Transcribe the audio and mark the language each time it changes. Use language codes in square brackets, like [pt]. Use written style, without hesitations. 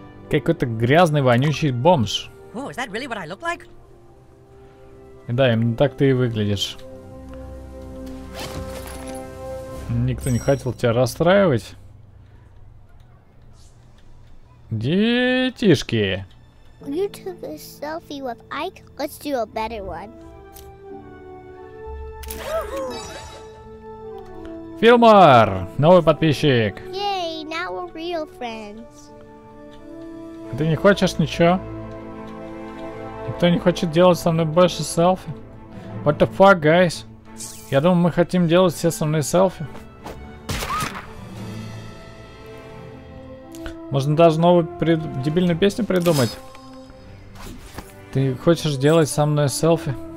[ru] Какой-то грязный, вонючий бомж. [en] Oh, really like? [ru] Да, именно так ты и выглядишь. Никто не хотел тебя расстраивать. Детишки! [en] You took a selfie with Ike. Let's do a better one. [ru] Филмор, новый подписчик. [en] Yay, now we're real friends. [ru] Ты не хочешь ничего? Никто не хочет делать со мной больше селфи? [en] What the fuck, guys? [ru] Я думал, мы хотим делать все со мной селфи. Можно даже новую дебильную песню придумать. Ты хочешь делать со мной селфи?